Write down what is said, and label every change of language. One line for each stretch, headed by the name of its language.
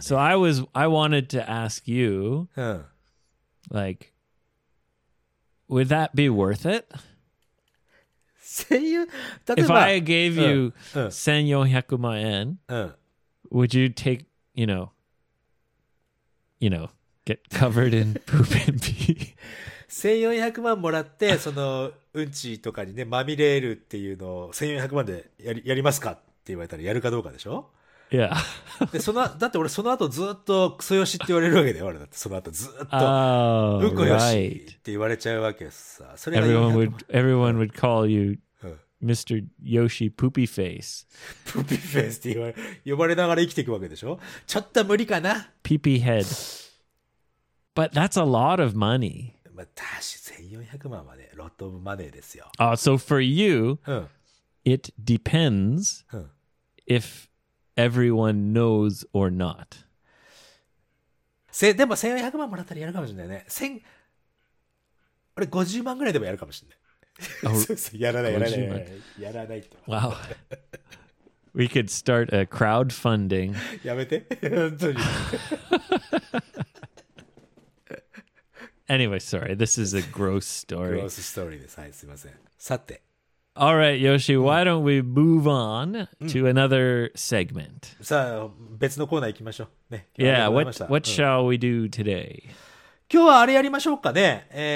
English: So I wanted to ask you, like, would that be worth it?
Japanese: 1,400万円。
English: If I gave you 1,400万円, would you take, you know, get covered in poop and pee?
Japanese: 1400万もらって、そのうんちとかにね、まみれるっていうのを1400万でやりますかって言われたらやるかどうかでしょ？いや、
English: yeah.
Japanese: だって俺その後ずっとクソよしって言われるわけだよ、俺だって。その後ずっと。
English: Oh,
Japanese: うんこよしって言われちゃうわけさ。それが
English: everyone would call you Mr. Yoshi Poopy Face.
Japanese: Poopy Face って呼ばれながら生きていくわけでしょ？ちょっと無理かな。
English: Peepy Head. But that's a lot of money.
Japanese: まあ、1,400万まで、ロットオブマネーですよ。
English: So for you,、うん、it depends、うん、if everyone knows or not.
Japanese: でも1,400万もらったらやるかもしれないね。50万ぐらいでもやるかもしれない。やらない、やらない。やらないと。
English: Wow. We could start a crowdfunding.
Japanese: やめて。本当に。
English: Anyway, sorry, this is a gross story. Gross story.
Japanese: です。はい、すみません。さて。
English: All right, Yoshi, why don't we move on to another segment?
Japanese: さあ、別のコーナー行きましょう。ね。
English: Yeah, what shall we do today?
Japanese: 今日はあれやりましょうかね。